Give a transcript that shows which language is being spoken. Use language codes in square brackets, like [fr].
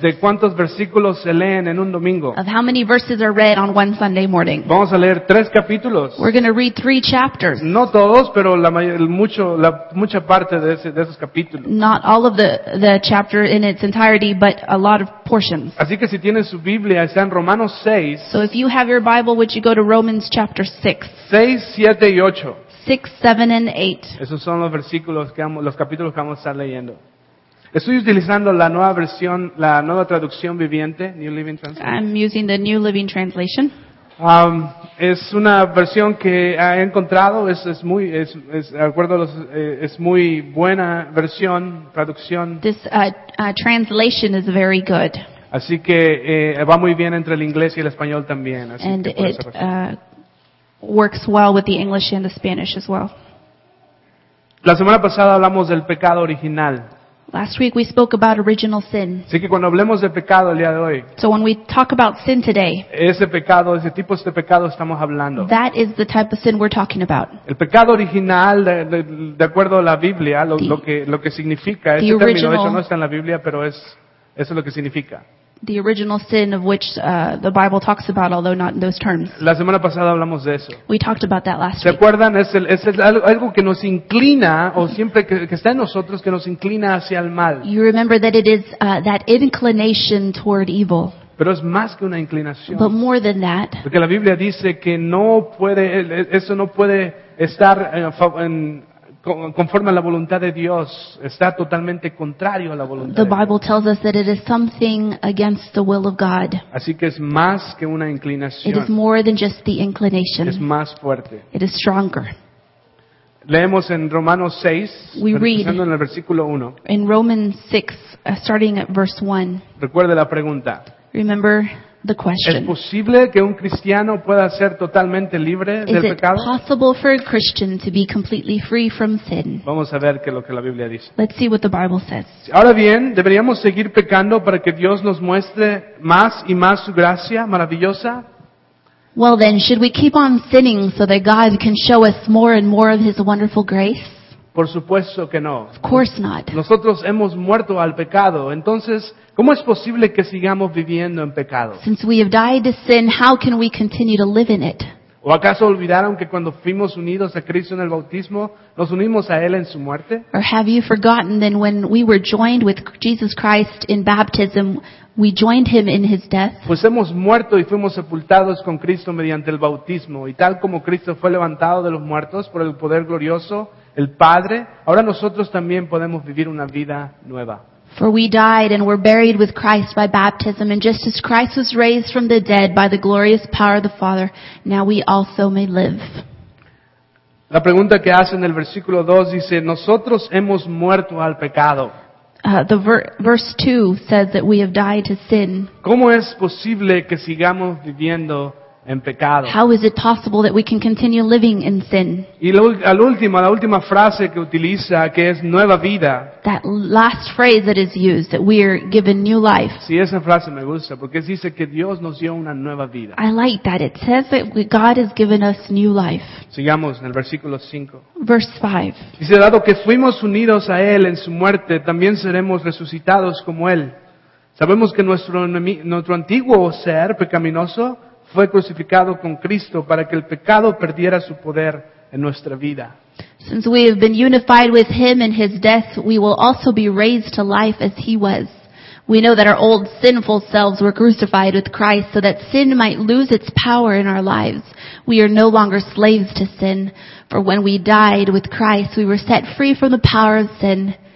[es] De cuántos versículos se leen en un domingo. [en] Of how many verses are read on one Sunday morning. [es] Vamos a leer tres capítulos. [en] We're going to read three chapters. [es] No todos, pero mucha parte de esos capítulos. [en] Not all of the chapter in its entirety, but a lot of portions. [es] Así que si tienen su Biblia, está en Romanos 6. [en] So if you have your Bible, would you go to Romans chapter 6? [es] 6, 7 y 8. [en] 6, 7 and 8. [es] Esos son los versículos los capítulos que vamos a estar leyendo. Estoy utilizando la nueva versión, la nueva traducción viviente, New Living Translation. [en] I'm using the New Living Translation. [es] Es una versión que he encontrado, es muy buena versión, traducción. [en] This translation is very good. [es] Así que va muy bien entre el inglés y el español también, así [en] and [es] que por [en] it, works well with the English and the Spanish as well. [es] La semana pasada hablamos del pecado original. [en] Last week we spoke about original sin. [es] Así que cuando hablemos de pecado el día de hoy. [en] So when we talk about sin today. [es] Ese pecado, ese tipo de pecado estamos hablando. [en] That is the type of sin we're talking about. [es] El pecado original de acuerdo a la Biblia, lo que significa, ese [en] original, [es] término, de hecho no está en la Biblia, pero eso es lo que significa. [en] the original sin of which the Bible talks about, although not in those terms. [es] La semana pasada hablamos de eso. [en] We talked about that last week. [es] ¿Se acuerdan? Es algo que nos inclina, o siempre que está en nosotros, que nos inclina hacia el mal. [en] You remember that it is that inclination toward evil. [es] Pero es más que una inclinación. [en] But more than that. [es] Porque la Biblia dice que no puede, eso no puede estar en conforme a la voluntad de Dios, está totalmente contrario a la voluntad de Dios. [en] The Bible tells us that it is something against the will of God. [es] Así que es más que una inclinación. [en] It is more than just the inclination. [es] Es más fuerte. [en] It is stronger. [es] Leemos en Romanos 6, [en] we read [es] en el versículo 1. [en] In Romans 6, starting at verse 1. [es] Recuerde la pregunta. [en] Remember the question. [es] ¿Es posible que un cristiano pueda ser totalmente libre del pecado? [en] Is it possible for a Christian to be completely free from sin? [es] Vamos a ver qué es lo que la Biblia dice. [en] Let's see what the Bible says. [es] Ahora bien, ¿deberíamos seguir pecando para que Dios nos muestre más y más su gracia maravillosa? [en] Well then, should we keep on sinning so that God can show us more and more of his wonderful grace? [es] Por supuesto que no. [en] Of course not. [es] Nosotros hemos muerto al pecado, entonces ¿cómo es posible que sigamos viviendo en pecado? [en] Since we have died to sin, how can we continue to live in it? [es] ¿O acaso olvidaron que cuando fuimos unidos a Cristo en el bautismo, nos unimos a Él en su muerte? [en] Or have you forgotten that when we were joined with Jesus Christ in baptism, we joined Him in His death? [es] Pues hemos muerto y fuimos sepultados con Cristo mediante el bautismo, y tal como Cristo fue levantado de los muertos por el poder glorioso, el Padre, ahora nosotros también podemos vivir una vida nueva. [en] For we died and were buried with Christ by baptism, and just as Christ was raised from the dead by the glorious power of the Father, now we also may live. [es] La pregunta que hace en el versículo 2 dice, nosotros hemos muerto al pecado. [en] Verse 2 says that we have died to sin. [es] ¿Cómo es posible que sigamos viviendo en pecado? [en] How is it possible that we can continue living in sin? [es] Y la última frase que utiliza, que es nueva vida. [en] That last phrase that is used, that we are given new life. [es] Sí, esa frase me gusta porque dice que Dios nos dio una nueva vida. [en] I like that. It says that God has given us new life. [es] Sigamos en el versículo 5. [en] Verse 5. [es] Dice, dado que fuimos unidos a Él en su muerte, también seremos resucitados como Él. Sabemos que nuestro antiguo ser pecaminoso fue crucificado con Cristo para que el pecado perdiera su poder en nuestra vida. [en] Since we have been unified with Him in His death, we will also be raised to life as He was. We know that our old sinful selves were crucified with Christ so that sin might lose its power in our lives. We are no longer slaves to sin, for when we died with Christ, we were set free from the power of sin.